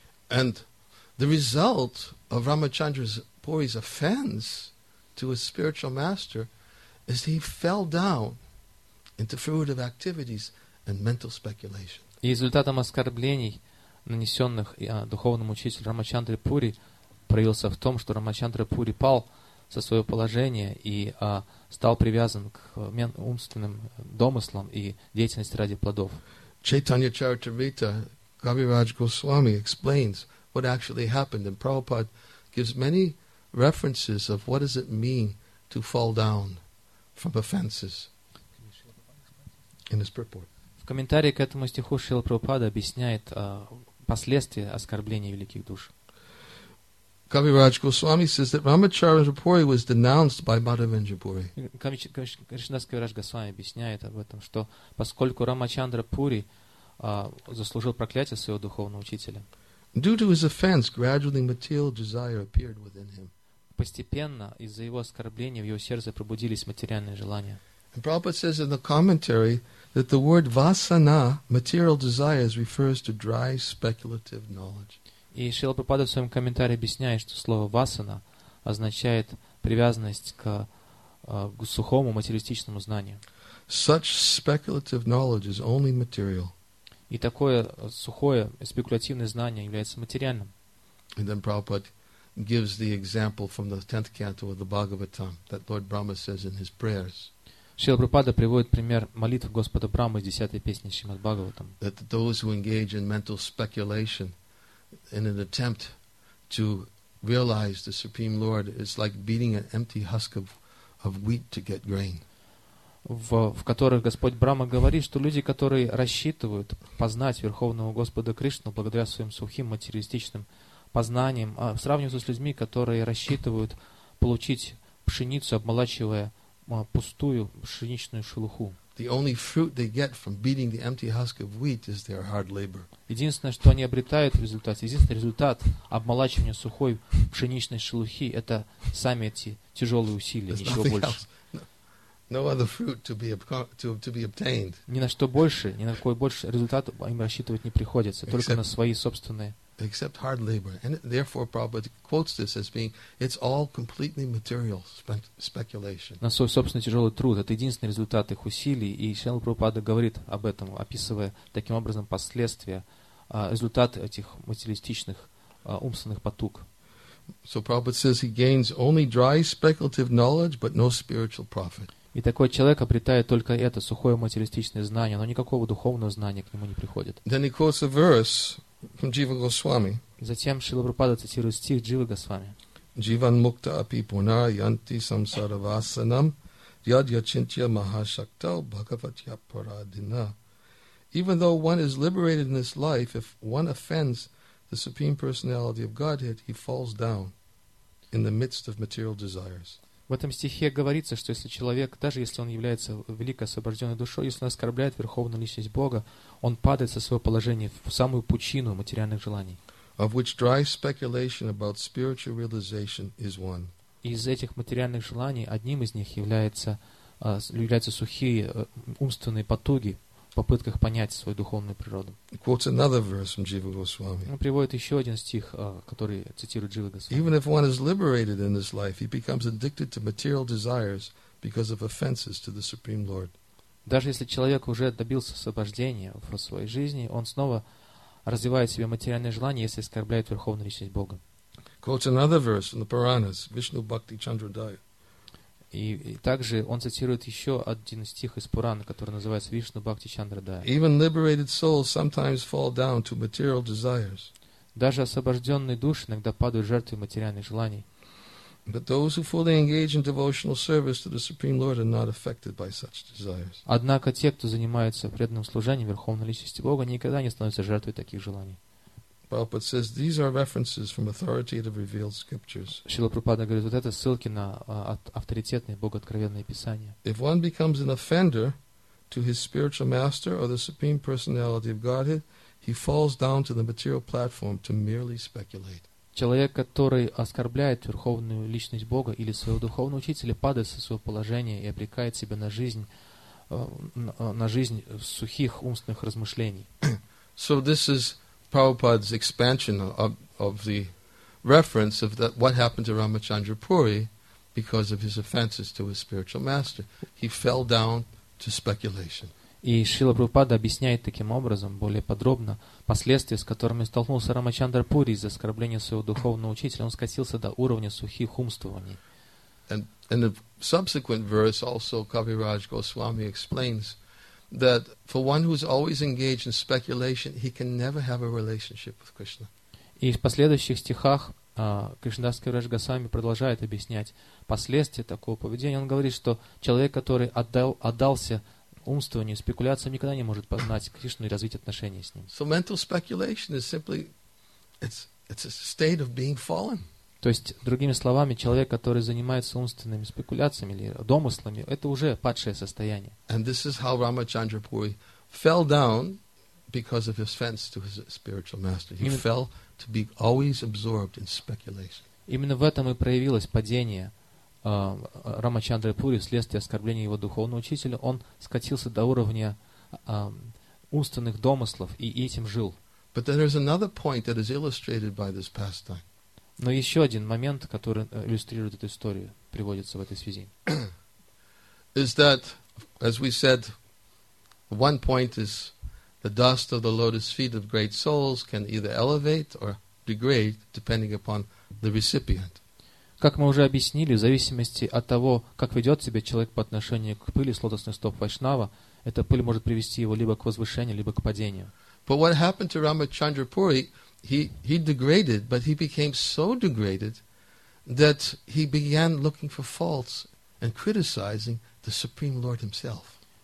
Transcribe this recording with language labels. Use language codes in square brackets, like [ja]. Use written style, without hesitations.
[en] And the result of Рамачандра Пури's offense to his spiritual master is he fell down into fruitive activities and mental speculation. [ru] И результатом оскорблений, нанесенных духовному учителю Рамачандре Пури, проявился в том, что Рамачандра Пури пал со своего положения и стал привязан к умственным домыслам и деятельности ради плодов. [en] Chaitanya Charitamrita, Kaviraj Goswami explains what actually happened, and Prabhupada gives many references of what does it mean to fall down from offenses in his purport. [ru] В комментарии к этому стиху Шрила Прабхупада объясняет последствия оскорбления великих душ. [en] Кавирадж Госвами says that Рамачандра Пури was denounced by Мадхавендра Пури. [ru] Кришнадас Кавирадж Госвами объясняет об этом, что поскольку Рамачандра Пури заслужил проклятие своего духовного учителя. [en] Due to his offense, gradually material desire appeared within him. [ru] Постепенно из-за его оскорбления в его сердце пробудились материальные желания. [en] And Prabhupada says in the commentary that the word vasana, material desires, refers to dry speculative knowledge. [ru] И Шрила Прабхупада в своем комментарии объясняет, что слово васана означает привязанность к сухому материалистичному знанию. [en] Such speculative knowledge is only material. [ru] И такое сухое спекулятивное знание является материальным. [en] And then Prabhupada gives the example from the 10th canto of the Bhagavatam that Lord Brahma says in his prayers. [ru] Шрила Прабхупада приводит пример молитв Господа Брамы из 10-й песни Шримад Бхагаватам. [en] That those who engage in mental speculation in an attempt to realize the Supreme Lord is like beating an empty husk of wheat to get grain. [ru] В которых Господь Брама говорит, что люди, которые рассчитывают познать Верховного Господа Кришну благодаря своим сухим материалистичным познаниям, сравниваются с людьми, которые рассчитывают получить пшеницу, обмолачивая пустую пшеничную шелуху. [en] The only fruit they get from beating the empty husk of wheat is their hard labor. [ru] Единственное, что они обретают в результате, единственный результат обмолачивания сухой пшеничной шелухи, это сами эти тяжелые усилия, ничего больше. [en] No other fruit to be obtained. [ru] Ни на что больше, ни на какой больше результат им рассчитывать не приходится, только на свои собственные. [en] Except hard labor, and therefore Prabhupada quotes this as being it's all completely material speculation. [ru] На свой собственный тяжелый труд, это единственный результат их усилий, и Шрила Прабхупада говорит об этом, описывая таким образом последствия, результат этих материалистичных умственных потуг. [en] So Prabhupada says he gains only dry speculative knowledge, but no spiritual profit. [ru] И такой человек обретает только это сухое материалистичное знание, но никакого духовного знания к нему не приходит. [en] Then he quotes a verse from Jiva Goswami. [ru] Затем Шрила Прабхупада цитирует стих Дживы Госвами. [sa] Jivan mukta api puna yanti samsara vasanam yad yachintya mahashakta bhagavatya paradina. [en] Even though one is liberated in this life, if one offends the supreme personality of Godhead, he falls down in the midst of material desires. [ru] В этом стихе говорится, что если человек, даже если он является великой освобожденной душой, если он оскорбляет Верховную Личность Бога, он падает со своего положения в самую пучину материальных желаний. [en] Of which dry speculation about spiritual realization is one. [ru] Из этих материальных желаний одним из них являются сухие умственные потуги в попытках понять свою духовную природу. [en] Quotes another verse from Jiva Goswami. [ru] Он приводит еще один стих, который цитирует Джива Госвами. [en] Even if one is liberated in this life, he becomes addicted to material desires because of offenses to the Supreme Lord. [ru] Даже если человек уже добился освобождения в своей жизни, он снова развивает в себе материальные желания, если оскорбляет Верховную Личность Бога. [en] Quotes another verse from the Puranas, Vishnu Bhakti Chandradaya. [ru] И также он цитирует еще один стих из Пурана, который называется «Вишну Бхакти Чандрадая». [en] Even liberated souls sometimes fall down to material desires. [ru] Даже освобожденные души иногда падают жертвой материальных желаний. [en] But those who fully engage in devotional service to the Supreme Lord are not affected by such desires. [ru] Однако те, кто занимается преданным служением Верховной Личности Бога, никогда не становятся жертвой таких желаний. [en] Prabhupada says these are references from authoritative revealed scriptures. [ru] Шрила Прабхупада говорит, вот это ссылки на авторитетные богооткровенные писания. [en] If one becomes an offender to his spiritual master or the supreme personality of Godhead, he falls down to the material platform to merely speculate. [ru] Человек, который оскорбляет Верховную Личность Бога или своего духовного учителя, падает со своего положения и обрекает себя на жизнь сухих умственных размышлений. [en] So this is Prabhupada's expansion of the reference of that what happened to Ramachandra Puri because of his offenses to his spiritual master. He fell down to speculation. [ru] И Шрила Прабхупада объясняет таким образом более подробно последствия, с которыми столкнулся Рамачандра Пури из-за оскорбления своего духовного учителя. Он скатился до уровня сухих умствований. [en] And the subsequent verse also Kaviraj Goswami explains that for one who is always engaged in speculation, he can never have a relationship with Krishna. [ru] И в последующих стихах Кришнадас Кавираджа Госвами продолжает объяснять последствия такого поведения. Он говорит, что человек, который отдался умствованию, спекуляциям, никогда не может познать Кришну и развить отношения с ним. [en] So mental speculation is simply it's a state of being fallen. [ru] То есть, другими словами, человек, который занимается умственными спекуляциями или домыслами, это уже падшее состояние. [en] And this is how Ramachandra Puri fell down because of his offense to his spiritual master. He fell to be always absorbed in speculation. [ru] Именно в этом и проявилось падение Рамачандры Пури вследствие оскорбления его духовного учителя. Он скатился до уровня умственных домыслов и этим жил. [en] But then there's another point that is illustrated by this pastime. [ru] Но еще один момент, который иллюстрирует эту историю, приводится в этой связи. [en] Is that, as we said, one point is the dust of the lotus feet of great souls can either elevate or degrade, depending upon the recipient. [ru] Как мы уже объяснили, в зависимости от того, как ведет себя человек по отношению к пыли с лотосных стоп Вайшнава, эта пыль может привести его либо к возвышению, либо к падению. [en] But what happened to Рамачандра Пури, he degraded, but he became so degraded that he began looking for faults and criticizing the Supreme Lord himself.